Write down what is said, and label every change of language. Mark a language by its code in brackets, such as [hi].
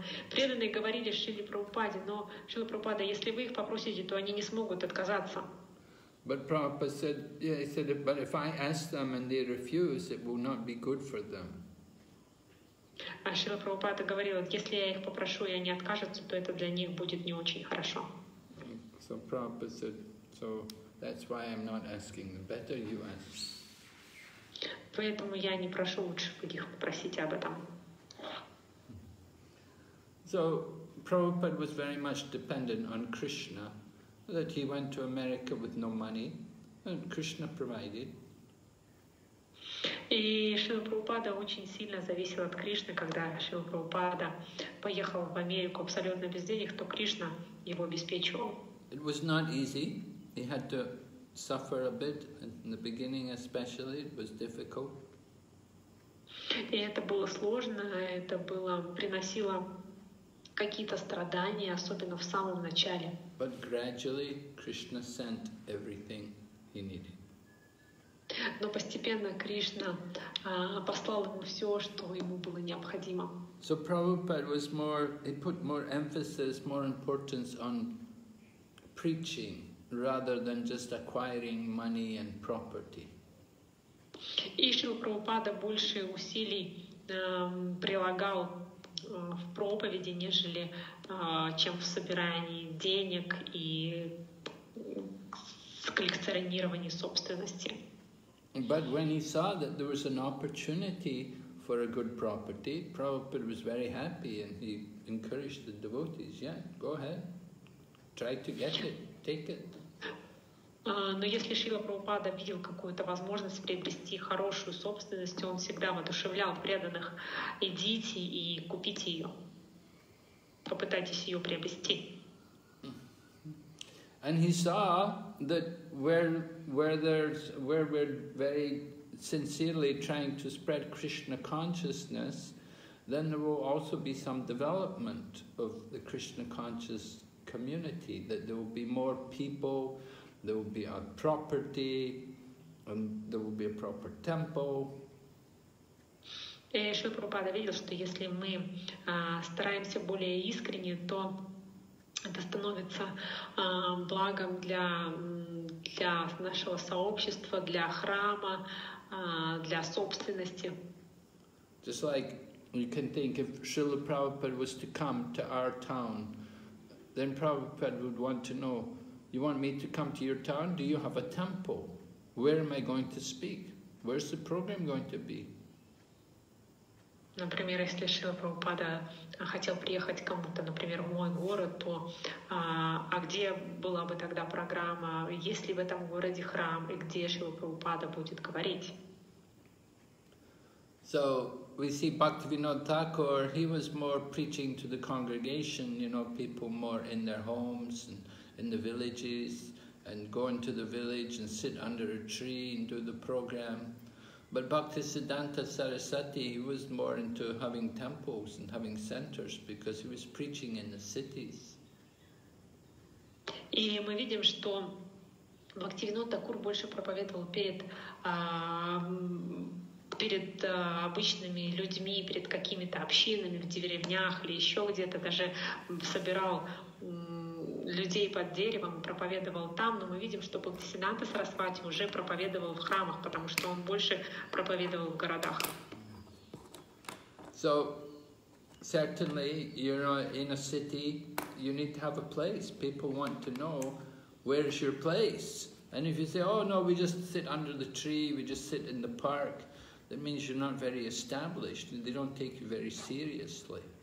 [ru] Преданные говорили Шриле Прабхупаде, но Шриле Прабхупаде, если вы их попросите, то они не смогут отказаться. [en] But Prabhupada said, yeah, he said, but if I ask them and they refuse, it will not be good for them. [ru] А Шрила Прабхупада говорил, если я их попрошу, и они откажутся, то это для них будет не очень хорошо. [en] So Prabhupada said, so that's why I'm not asking them. Better you ask. [ru] Поэтому я не прошу, лучше бы их попросить об этом. [en] So Prabhupada was very much dependent on Krishna, that he went to America with no money, and Krishna provided. [ru] И Шрила Прабхупада очень сильно зависел от Кришны, когда Шрила Прабхупада поехал в Америку абсолютно без денег, то Кришна его обеспечивал. [en] It was not easy. He had to suffer a bit in the beginning, especially. It was difficult. [ru] И это было сложно. Это было приносило какие-то страдания, особенно в самом начале. [en] But gradually Krishna sent everything he needed. [ru] Но постепенно Кришна послал ему все, что ему было необходимо. [en] So Prabhupada was more, he put more emphasis, more importance on preaching rather than just acquiring money and property. [ru] И Шрила Прабхупада больше усилий прилагал в проповеди, нежели чем в собирании денег и в коллекционировании собственности. [en] But when he saw that there was an opportunity for a good property, Prabhupada was very happy and he encouraged the devotees, yeah, go ahead, try to get it, take it. [ru] Но если Шрила Прабхупада видел какую-то возможность приобрести хорошую собственность, он всегда воодушевлял преданных, идите и купите ее, попытайтесь ее приобрести. [en] And he saw that where we're very sincerely trying to spread Krishna consciousness, then there will also be some development of the Krishna conscious community, that there will be more people, there will be a property, and there will be a proper temple. [ru] И Шри Прабхупада видел, что если мы стараемся более искренне, то это становится благом для нашего сообщества, для храма, для собственности. [en] Just like you can think, if Srila Prabhupada was to come to our town, then Prabhupada would want to know, you want me to come to your town? Do you have a temple? Where am I going to speak? Where's the program going to be? [ru] Например, если Шрила Прабхупада хотел приехать кому-то, например, в мой город, то а где была бы тогда программа, есть ли в этом городе храм, и где Шрила Прабхупада будет говорить? [en] So, we see Bhaktivinoda Thakur, he was more preaching to the congregation, you know, people more in their homes and in the villages, and go into the village and sit under a tree and do the program. But Bhaktisiddhanta Sarasvati, he was more into having temples and having centers because he was preaching in the cities. [ru] И мы видим, что Бхактивинода Такур больше проповедовал перед обычными людьми, перед какими-то общинами в деревнях или еще где-то, даже собирал людей под деревом, проповедовал там, но мы видим, что Бхактисиддханта Сарасвати уже проповедовал в храмах, потому что он больше проповедовал в городах. [en] So, certainly, you know, in a city, you need to have a place. People want to know, where is your place? And if you say, oh no, we just sit under the tree, we just sit in the park, that means you're not very established, they don't take you very seriously.